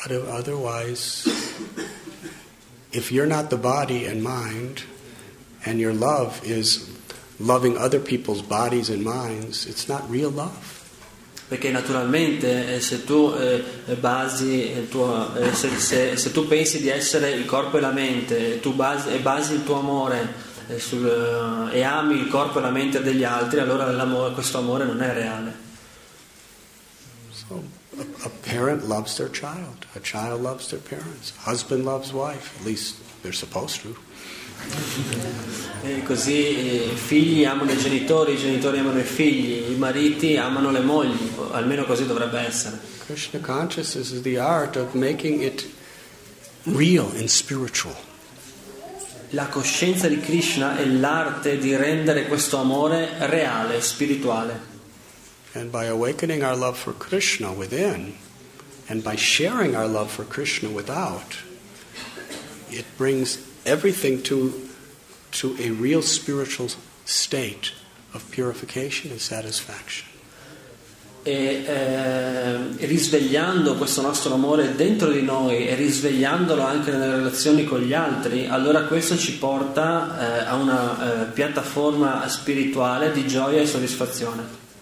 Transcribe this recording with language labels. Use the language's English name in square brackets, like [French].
[English] Otherwise, if you're not the body and mind, and your love is loving other people's bodies and minds, it's not real love. [Italian] Perché naturalmente se tu basi il tuo se tu pensi di essere il corpo e la mente, tu basi il tuo amore e ami il corpo e la mente degli altri, allora questo amore non è reale. [English] So a parent loves their child, a child loves their parents, husband loves wife, at least they're supposed to. [Italian] E così i figli amano i genitori amano i figli, i mariti amano le mogli, almeno così dovrebbe essere. [English] Krishna consciousness is the art of making it real and spiritual. [Italian] La coscienza di Krishna è l'arte di rendere questo amore reale, spirituale. [English] And by awakening our love for Krishna within and by sharing our love for Krishna without, it brings everything to a real spiritual state of purification and satisfaction. [Italian] E risvegliando questo nostro amore dentro di noi e risvegliandolo anche nelle relazioni con gli altri, allora questo ci porta a una piattaforma spirituale di gioia e soddisfazione.